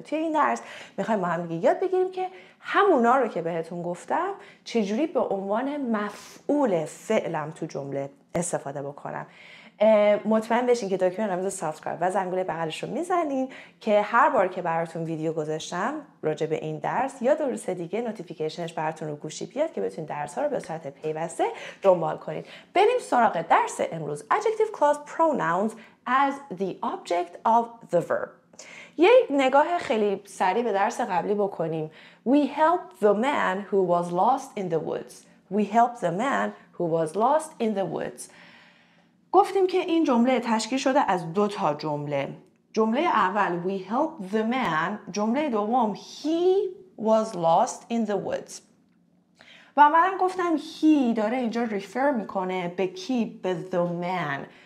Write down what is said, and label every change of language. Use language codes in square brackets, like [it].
[fa] توی این درس میخوایم با هم دیگه یاد بگیریم که همونا رو که بهتون گفتم چجوری به عنوان مفعول فعلم تو جمله استفاده بکنم. مطمئن بشین که دکمه رمز سابسکرایب و زنگوله بغلش رو میزنین که هر بار که براتون ویدیو گذاشتم راجع به این درس یا دروس دیگه، نوتیفیکیشنش براتون رو گوشی بیاد که بتونین درس ها رو به صورت پیوسته دنبال کنین. بریم سراغ درس امروز. [en] Adjective clause pronouns as the object of the verb. [fa] یه نگاه خیلی سریع به درس قبلی بکنیم. [en] We helped the man who was lost in the woods. We helped the man who was lost in the woods. [fa] گفتیم که این جمله تشکیل شده از دو تا جمله. جمله اول [en] we helped the man، [fa] جمله دوم [en] he was lost in the woods. [fa] و من گفتم he داره اینجا ریفر میکنه به کی؟ به the man.